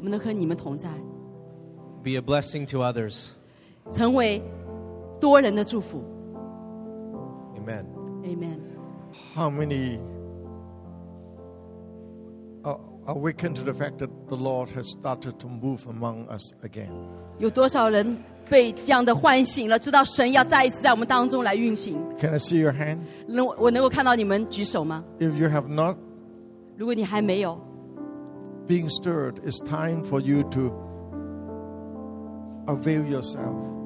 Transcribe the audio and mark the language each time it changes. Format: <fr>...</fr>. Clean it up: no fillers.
<en>be a blessing to others. Amen. Amen. How many awakened to the fact that the Lord has started to move among us again?</en> <zh>有多少人被这样的唤醒了, 知道神要再一次在我们当中来运行?</zh> <en>Can I see your hand?</en> <zh>我能够看到你们举手吗?</zh> <en>If you have not,</en> <zh>如果你还没有,</zh> <en>being stirred, it's time for you to avail yourself.</en>